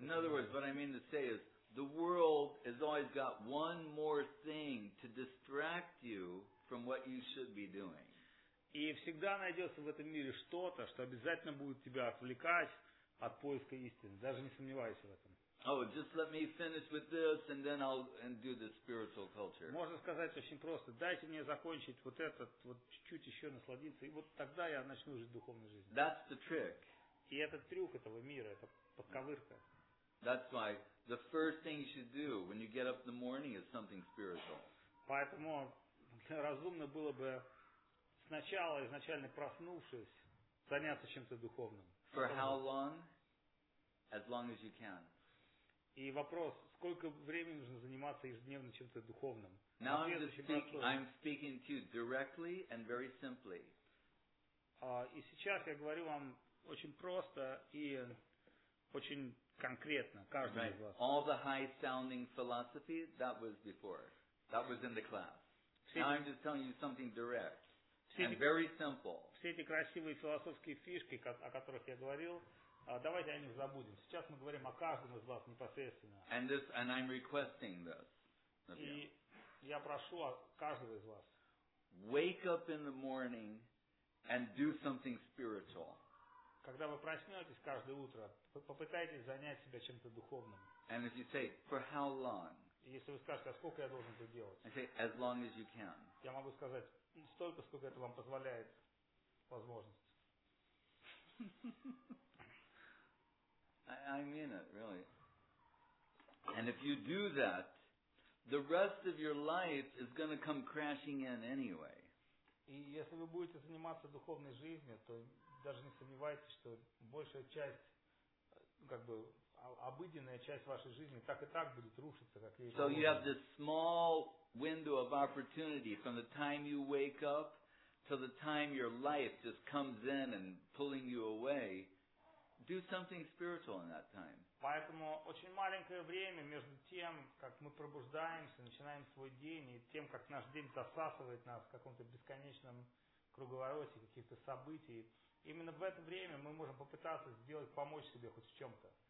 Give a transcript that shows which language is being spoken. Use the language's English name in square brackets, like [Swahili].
[English] In other words, what I mean to say is, the world has always got one more thing to distract you from what you should be doing. [Russian] И всегда найдется в этом мире что-то, что обязательно будет тебя отвлекать от поиска истины. Даже не сомневайся в этом. [English] Oh, just let me finish with this, and then I'll and do the spiritual culture. [Russian] Можно сказать очень просто: дайте мне закончить вот этот, вот чуть-чуть еще насладиться, и вот тогда я начну жить духовной жизнью. [English] That's the trick. [Russian] И этот трюк этого мира, это подковырка. [English] That's why the first thing you should do when you get up in the morning is something spiritual. [Russian] Поэтому разумно было бы сначала, изначально проснувшись, заняться чем-то духовным. [English] For how long? As long as you can. [Russian] И вопрос, сколько времени нужно заниматься ежедневно чем-то духовным? [English] Now I'm speaking to you directly and very simply. [Russian] И сейчас я говорю вам очень просто и очень конкретно, каждый [English] right. [Russian] из вас. [English] All the high sounding philosophy, that was before. That was in the class. [Russian] Все [English] Now I'm just telling you something direct and very simple. [Russian] Все эти красивые философские фишки, о которых я говорил, давайте о них забудем. Сейчас мы говорим о каждом из вас непосредственно. [English] And I'm requesting this. [Russian] И я прошу о каждого из вас. [English] Wake up in the morning and do something spiritual. [Russian] Когда вы проснетесь каждое утро, попытайтесь занять себя чем-то духовным. [English] And if you say, for how long? [Russian] Если вы скажете, а сколько я должен это делать? [English] I say, as long as you can. [Russian] Я могу сказать, столько, сколько это вам позволяет возможность. [English] I mean it, really. And if you do that, the rest of your life is going to come crashing in anyway. [Russian] И если вы будете заниматься духовной жизнью, то даже не сомневайтесь, что большая часть, как бы обыденная часть вашей жизни так и так будет рушиться, как есть. [English] So you have this small window of opportunity from the time you wake up to the time your life just comes in and pulling you away. Do something spiritual in that time. [Russian] Поэтому очень маленькое время между тем, как мы пробуждаемся, начинаем свой день, и тем, как наш день засасывает нас в каком-то бесконечном круговороте каких-то событий. Именно в это время мы можем попытаться сделать, помочь себе хоть в чем-то.